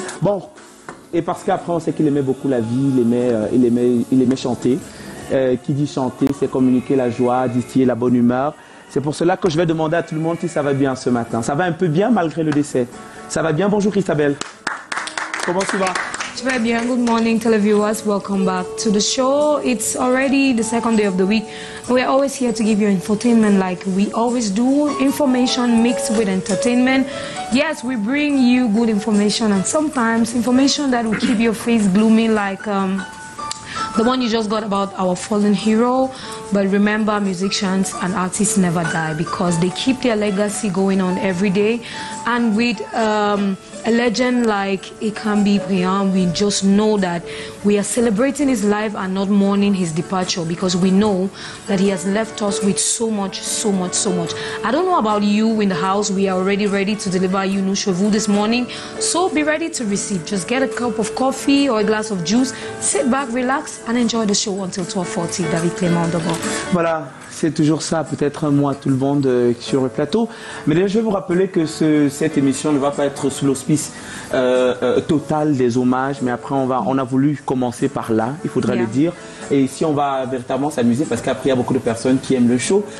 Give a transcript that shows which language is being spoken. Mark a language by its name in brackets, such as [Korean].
[French] Bon, et parce qu'après, on sait qu'il aimait beaucoup la vie, il aimait chanter. Qui dit chanter, c'est communiquer la joie, distiller la bonne humeur. C'est pour cela que je vais demander à tout le monde si ça va bien ce matin. Ça va un peu bien malgré le décès. Ça va bien, bonjour Christabel. Comment tu vas? Très bien. [English] Good morning, televiewers. Welcome back to the show. It's already the second day of the week. We are always here to give you infotainment like we always do. Information mixed with entertainment. Yes, we bring you good information and sometimes information that will keep your face gloomy like the one you just got about our fallen hero. But remember, musicians and artists never die because they keep their legacy going on every day. And with a legend like Ekambi Priam, we just know that we are celebrating his life and not mourning his departure because we know that he has left us with so much, so much, so much. I don't know about you in the house. We are already ready to deliver you Nushovu this morning. So be ready to receive. Just get a cup of coffee or a glass of juice. Sit back, relax and enjoy the show until 12:40. [French] David Clément Dobon. Voilà, c'est toujours ça, peut-être moi, tout le monde sur le plateau. Mais déjà, je vais vous rappeler que cette émission ne va pas être sous l'auspice total des hommages. Mais après, on a voulu commencer par là, il faudrait le dire. Et ici, on va véritablement s'amuser parce qu'après, il y a beaucoup de personnes qui aiment le show.